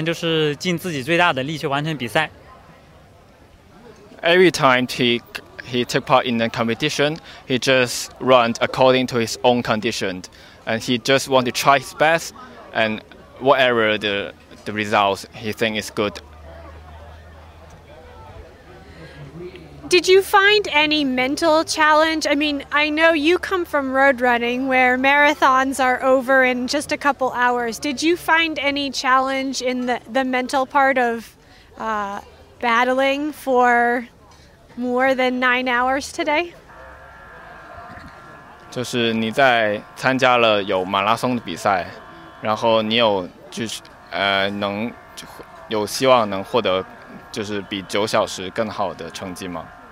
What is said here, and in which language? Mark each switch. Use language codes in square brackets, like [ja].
[zh] 我是根据我自己的情况来定，我可能好的时候我可能会跑快一点，如果跑不动的话，我就稍微坚持一下吧，反正就是尽自己最大的力去完成比赛。 [en] Every time he took part in the competition, he just runs according to his own condition, and he just want to try his best, and whatever the results he think is good. Did you find any mental challenge? I mean, I know you come from road running where marathons are over in just a couple hours. Did you find any challenge in the mental part of battling for more than 9 hours today? [zh] 就是你在参加了有马拉松的比赛，然后你有希望能获得就是比九小时更好的成绩吗？